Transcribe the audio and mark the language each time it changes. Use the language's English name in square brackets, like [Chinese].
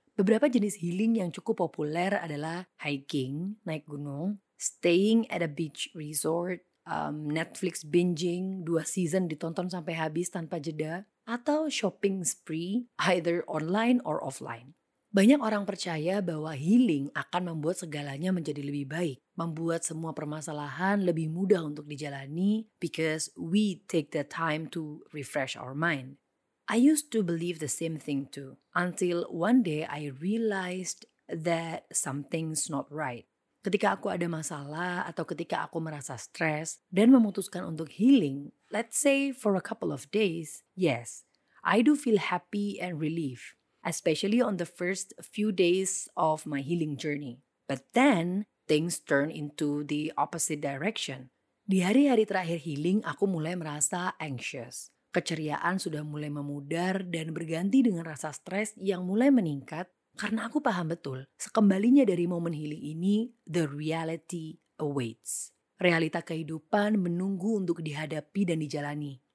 [Indonesian] Beberapa jenis healing yang cukup populer adalah hiking, naik gunung, staying at a beach resort, Netflix binging, 2 season ditonton sampai habis tanpa jeda, atau shopping spree, either online or offline. Banyak orang percaya bahwa healing akan membuat segalanya menjadi lebih baik, membuat semua permasalahan lebih mudah untuk dijalani because we take the time to refresh our mind. [English] I used to believe the same thing too, until one day I realized that something's not right. Ketika aku ada masalah atau ketika aku merasa stres dan memutuskan untuk healing, let's say for a couple of days, yes, I do feel happy and relief, especially on the first few days of my healing journey. But then, things turn into the opposite direction. [Indonesian] Di hari-hari terakhir healing, aku mulai merasa anxious. Keceriaan sudah mulai memudar dan berganti dengan rasa stres yang mulai meningkat. Karena aku paham betul, sekembalinya dari momen healing ini, the reality awaits. Realita kehidupan menunggu untuk dihadapi dan dijalani.